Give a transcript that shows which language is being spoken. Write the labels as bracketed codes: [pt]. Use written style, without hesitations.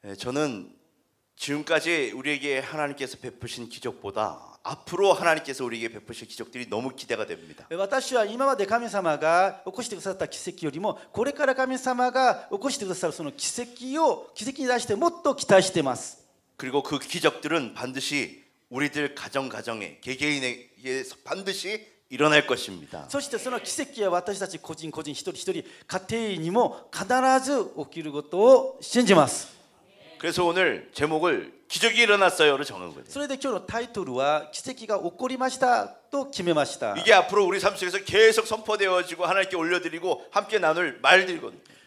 [ko] 저는 지금까지 우리에게 하나님께서 베푸신 기적보다 앞으로 하나님께서 우리에게 베푸실 기적들이 너무 기대가 됩니다. [ja] 私は今まで神様が起こしてくださった奇跡よりもこれから神様が起こしてくださるその奇跡に対してもっと期待してます。 [ko] 그리고 그 기적들은 반드시 우리들 가정가정에 개개인에게서 반드시 일어날 것입니다. [ja] そしてその奇跡は私たち個人個人一人一人家庭にも必ず起きることを信じます。 [ko] 그래서 오늘 제목을 기적이 일어났어요를 정한 거예요. [ja] それで今日のタイトルは奇跡が起こりましたと決めました。 [ko] 이게 앞으로 우리 삶 속에서 계속 선포되어지고 하나님께 올려드리고 함께 나눌 말들거든요.